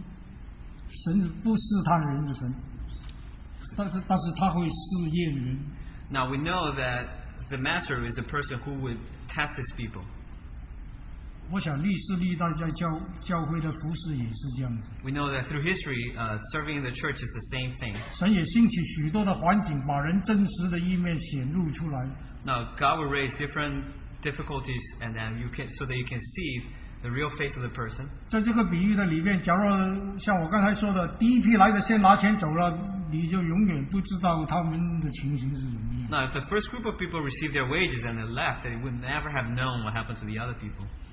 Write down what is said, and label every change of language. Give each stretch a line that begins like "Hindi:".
Chinese: 我们的神，神不试探人的神。但是他会试验人。
English: Now we know that the master is a person who would test his people.
Chinese: 我想历世历代在教会的服事也是这样子。
English: We know that through history, serving in the church is the same thing.
Chinese: 神也兴起许多的环境，把人真实的一面显露出来。
English: Now God will raise different difficulties, and then you can so that you can see the real face of the person.
Chinese: 在这个比喻的里面，假如像我刚才说的，第一批来的先拿钱走了，你就永远不知道他们的情形是怎么样。
English: Now, if the first group of people received their wages and they left, they would never have known what happened to the other people.